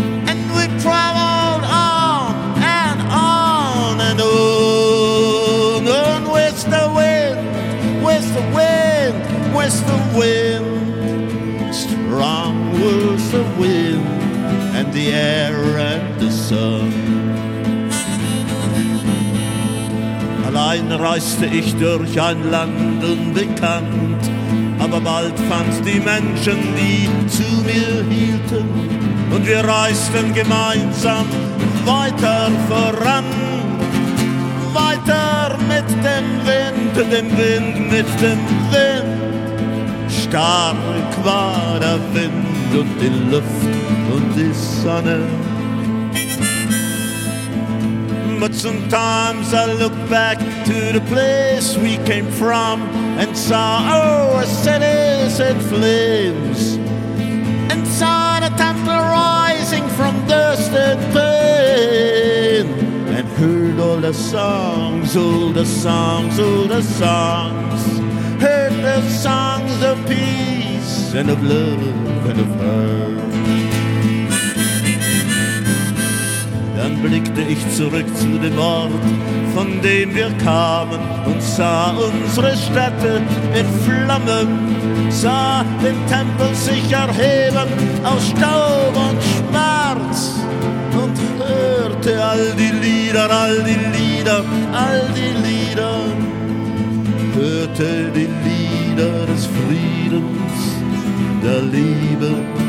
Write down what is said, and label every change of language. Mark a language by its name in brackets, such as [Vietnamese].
[English] And we traveled on and on, and with the wind, strong was the wind, and the air and the sun. [German] Allein reiste ich durch ein Land unbekannt, aber bald fand die Menschen, die zu mir hielten, und wir reisten gemeinsam weiter voran, weiter mit dem Wind, mit dem Wind. Stark war der Wind und die Luft und die Sonne. [English] But sometimes I look back to the place we came from and saw our cities in flames, and saw the temple rising from dust and pain, and heard all the songs, all the songs, all the songs, heard the songs of peace and of love and of hope. [German] Dann blickte ich zurück zu dem Ort, von dem wir kamen, und sah unsere Städte in Flammen, sah den Tempel sich erheben aus Staub und Schmerz, und hörte all die Lieder, all die Lieder, all die Lieder, hörte die Lieder des Friedens, der Liebe.